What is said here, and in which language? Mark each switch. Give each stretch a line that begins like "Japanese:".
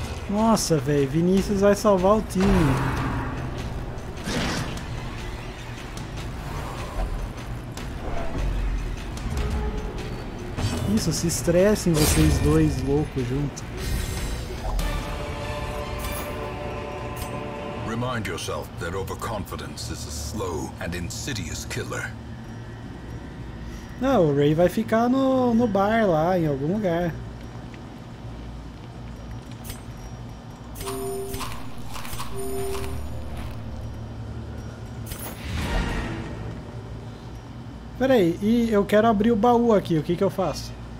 Portuguese: Nossa, velho, Vinícius vai salvar o time. Isso, se estressem vocês dois loucos juntos.
English: Remind yourself that overconfidence is a slow and insidious killer.
Portuguese: Não, o Ray vai ficar no bar lá, em algum lugar. Pera aí, e eu quero abrir o baú aqui, o que que eu faço?